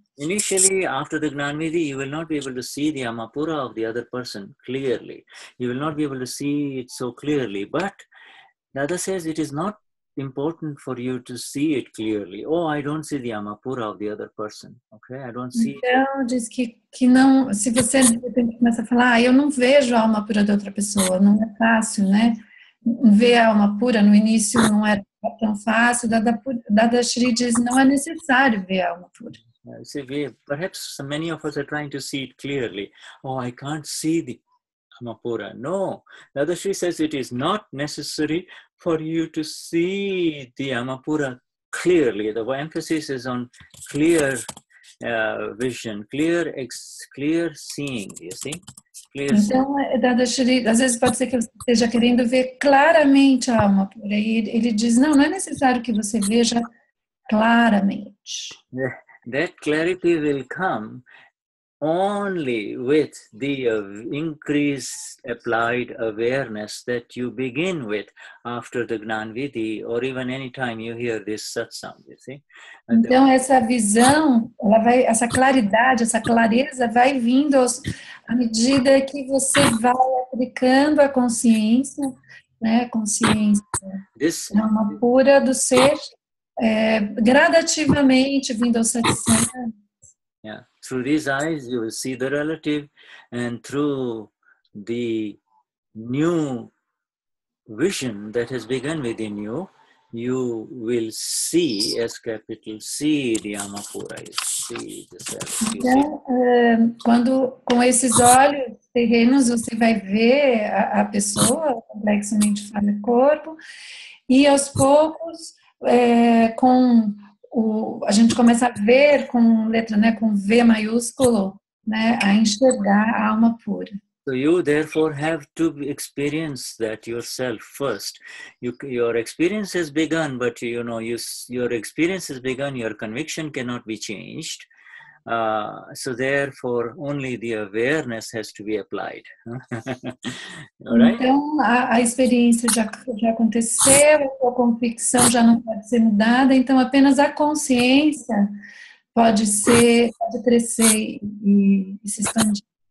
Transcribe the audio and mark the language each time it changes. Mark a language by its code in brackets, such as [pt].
[en] Initially, after the Gnan Vidhi, you will not be able to see the Amapura of the other person clearly. You will not be able to see it so clearly. But Dada says it is not important for you to see it clearly. Oh, I don't see the Amapura of the other person. Okay, I don't see. [pt] Então, diz que não, se você começa a falar, ah, eu não vejo a alma pura da outra pessoa, não é fácil, né? Ver a alma pura no início não é tão fácil. Dadashri diz, não é necessário ver a alma pura. [en] Perhaps many of us are trying to see it clearly. Oh, I can't see the Amapura. No, Dadashri says it is not necessary for you to see the Amapura clearly. The emphasis is on clear vision, clear seeing, you see? Clear seeing. [pt] Então, Dadashri, às vezes pode ser que você esteja querendo ver claramente a Amapura. E ele diz, não é necessário que você veja claramente. [en] That clarity will come only with the increased applied awareness that you begin with after the Gnan Vidhi, or even any time you hear this satsang, you see? [pt] Então, essa visão, ela vai, essa claridade, essa clareza vai vindo à medida que você vai aplicando a consciência, né? Consciência. [en] This [pt] é uma pura do ser, gradativamente vindo ao satsang. [en] Yeah, through these eyes you will see the relative, and through the new vision that has begun within you, you will see, as capital C, the Amapura, you see the self. [pt] Então, quando com esses olhos terrenos você vai ver a pessoa, complexamente falando corpo, e aos poucos, com... a gente começa a ver com letra, né, com V maiúsculo, né, a enxergar a alma pura. [en] So you therefore have to experience that yourself first. Your experience has begun, but you know, your experience has begun, your conviction cannot be changed. So therefore only the awareness has to be applied. Right? [pt] Então a experiência já aconteceu, a convicção já não pode ser mudada, então apenas a consciência pode crescer e se expandir.